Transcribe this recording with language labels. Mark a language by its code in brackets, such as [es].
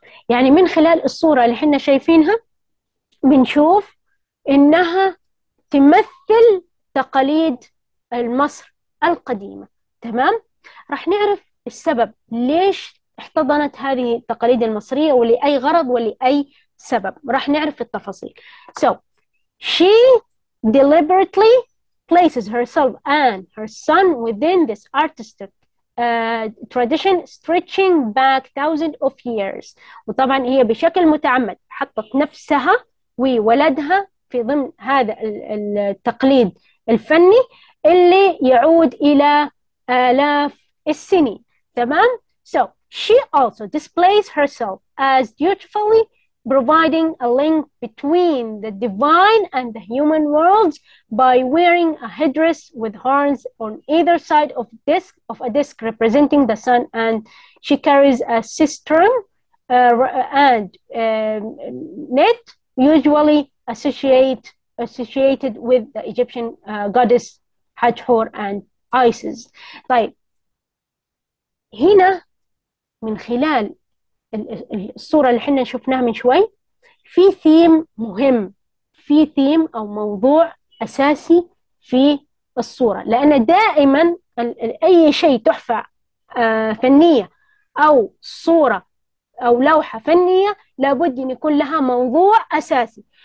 [ar] يعني من خلال الصورة اللي احنا شايفينها بنشوف انها تمثل تقاليد مصر القديمة. تمام؟ راح نعرف السبب ليش احتضنت هذه التقاليد المصرية ولأي غرض ولأي سبب، راح نعرف التفاصيل. So, [en] She deliberately places herself and her son within this artistic tradition stretching back thousands of years. [ar] وطبعا هي بشكل متعمد حطت نفسها وولدها في ضمن هذا التقليد الفني اللي يعود إلى آلاف السنين. [en] تمام؟ So she also displays herself as dutifully providing a link between the divine and the human worlds by wearing a headdress with horns on either side of disc of a disc representing the sun, and she carries a sistrum and net usually associated with the Egyptian goddess Hathor and Isis. [ar] طيب هنا من خلال الصورة اللي احنا شفناها من شوي، في ثيم مهم، في ثيم أو موضوع أساسي في الصورة، لأن دائما أي شيء تحفة فنية أو صورة أو لوحة فنية لابد أن يكون لها موضوع أساسي.